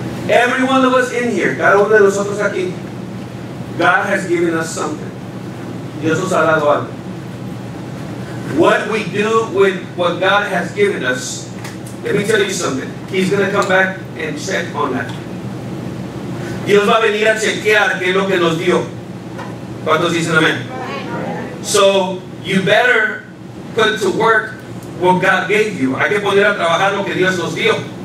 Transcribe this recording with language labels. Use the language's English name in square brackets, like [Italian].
[English] Every one of us in here, [Spanish] cada uno de nosotros aquí, [English] God has given us something. [Spanish] Dios nos ha dado algo. [English] What we do with what God has given us, let me tell you something. He's going to come back and check on that. [Spanish] Dios va a venir a chequear qué es lo que nos dio. ¿Cuántos dicen amén? [English] So you better put to work what God gave you. [Spanish] Hay que poner a trabajar lo que Dios nos dio.